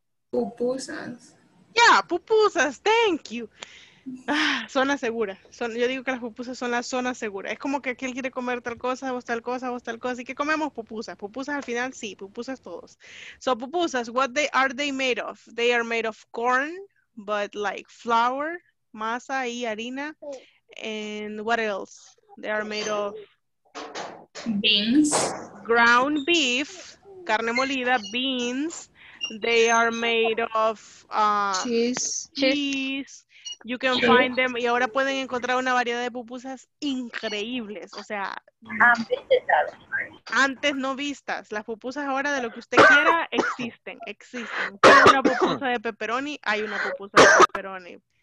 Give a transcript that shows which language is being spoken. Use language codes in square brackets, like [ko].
[es] Pupusas. [en] Yeah, pupusas, thank you. [es] Ah, zona segura. Yo digo que las pupusas son la zona segura. Es como que aquel quiere comer tal cosa, vos tal cosa. ¿Y qué comemos? Pupusas. Pupusas al final, sí, pupusas todos. [en] So, pupusas, what they are they made of? They are made of corn, but like flour, [es] masa y harina. [en] And what else? They are made of beans. Ground beef, [es] carne molida, [en] beans. They are made of cheese. Cheese. You can find them. [es] Y ahora pueden encontrar una variedad de pupusas increíbles. O sea, antes no vistas. Las pupusas ahora, de lo que usted quiera, existen. Existen. Tiene una pupusa de pepperoni, hay una pupusa de pepperoni.